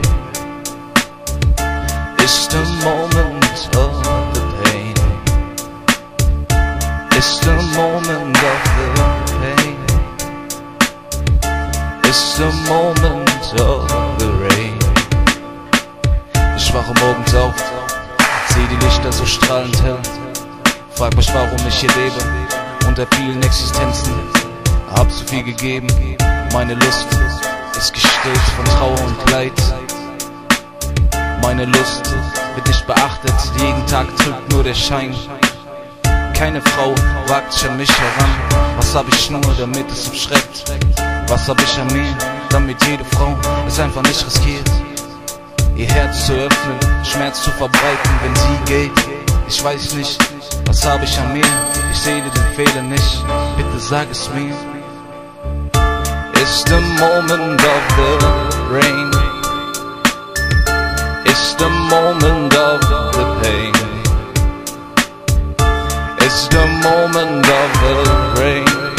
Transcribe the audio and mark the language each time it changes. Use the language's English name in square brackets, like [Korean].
[English] It's the moment of the pain. It's the moment of the pain. It's the moment of the rain. [German] Ich wache morgens auf, seh die Lichter so strahlend hell. Frag mich, warum ich hier lebe, unter vielen Existenzen. Hab zu viel gegeben, meine Lust ist gestillt von Trauer und Leid. Meine Lust wird nicht beachtet, jeden Tag trügt nur der Schein. Keine Frau wagt sich an mich heran. Was hab ich nur, damit es umschreckt? Was hab ich an mir, damit jede Frau es einfach nicht riskiert? Ihr Herz zu öffnen, Schmerz zu verbreiten, wenn sie geht. Ich weiß nicht, was hab ich an mir? Ich sehe den Fehler nicht, bitte sag es mir. [English] It's the moment of the rain. It's the moment of the pain. It's the moment of the rain.